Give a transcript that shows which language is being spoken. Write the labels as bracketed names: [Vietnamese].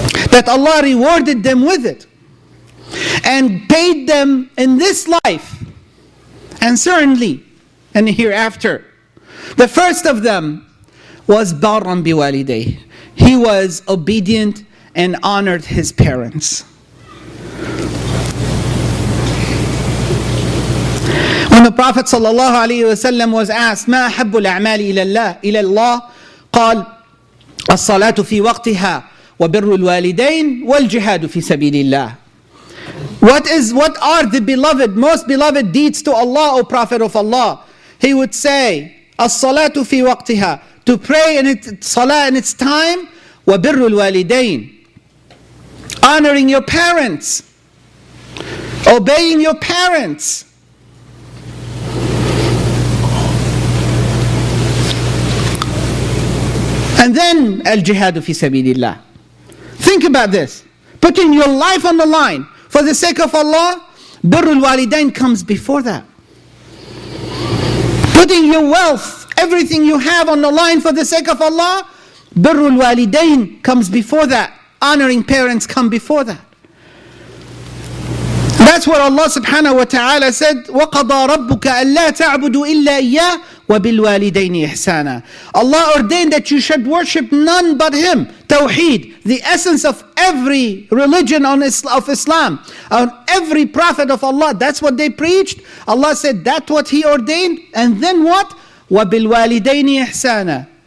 [English] That Allah rewarded them with it. And paid them in this life. And certainly in the hereafter. The first of them was Barran Biwalidei. He was obedient and honored his parents. When the Prophet ﷺ was asked, [Arabic] مَا أَحَبُّ الْأَعْمَالِ إِلَى اللَّهِ قَالْ الصَّلَاةُ فِي وَقْتِهَا وَبِرُّ الْوَالِدَيْنِ وَالْجِهَادُ فِي سَبِيلِ اللَّهِ. [English] What are the beloved, most beloved deeds to Allah, O Prophet of Allah? He would say, [Arabic] As-salatu fi waqtiha, [English] to pray in its salah in its time, [Arabic] wa birrul walidain, [English] honoring your parents, obeying your parents. And then [Arabic] al-jihadu fi sabilillah. [English] Think about this. Putting your life on the line. For the sake of Allah, birr al-walidain comes before that. Putting your wealth, everything you have on the line for the sake of Allah, birr al-walidain comes before that. Honoring parents come before that. That's what Allah subhanahu wa ta'ala said, [Arabic] وَقَضَى رَبُّكَ أَلَّا تَعْبُدُوا إِلَّا إِيَّا وَبِالْوَالِدَيْنِ إِحْسَانًا. [English] Allah ordained that you should worship none but Him. Tawheed, the essence of every religion of Islam, on every prophet of Allah, that's what they preached. Allah said that's what He ordained. And then what? [Arabic] وَبِالْوَالِدَيْنِ إِحْسَانًا.